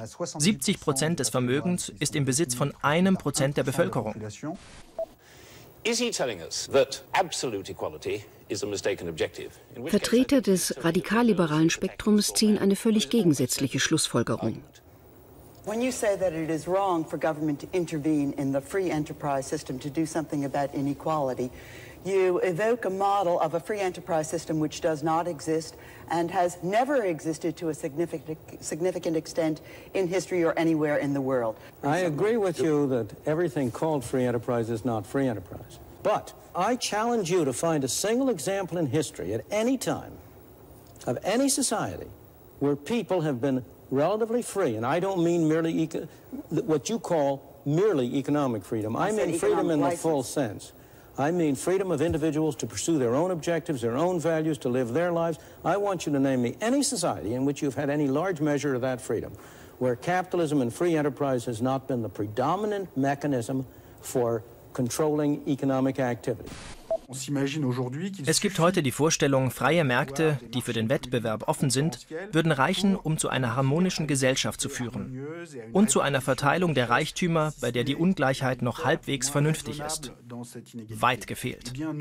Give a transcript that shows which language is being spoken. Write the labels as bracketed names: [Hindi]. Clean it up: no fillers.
[German] 70% des Vermögens ist im Besitz von 1% der Bevölkerung. Vertreter des radikal-liberalen Spektrums ziehen eine völlig gegensätzliche Schlussfolgerung. [English] When you say that it is wrong for government to intervene in the free enterprise system to do something about inequality, you evoke a model of a free enterprise system which does not exist and has never existed to a significant extent in history or anywhere in the world. I agree with you that everything called free enterprise is not free enterprise. But I challenge you to find a single example in history at any time of any society where people have been relatively free, and I don't mean merely what you call merely economic freedom. I mean freedom in the full sense. I mean freedom of individuals to pursue their own objectives, their own values, to live their lives. I want you to name me any society in which you've had any large measure of that freedom, where capitalism and free enterprise has not been the predominant mechanism for controlling economic activity. [German] Es gibt heute die Vorstellung, freie Märkte, die für den Wettbewerb offen sind, würden reichen, um zu einer harmonischen Gesellschaft zu führen und zu einer Verteilung der Reichtümer, bei der die Ungleichheit noch halbwegs vernünftig ist. Weit gefehlt.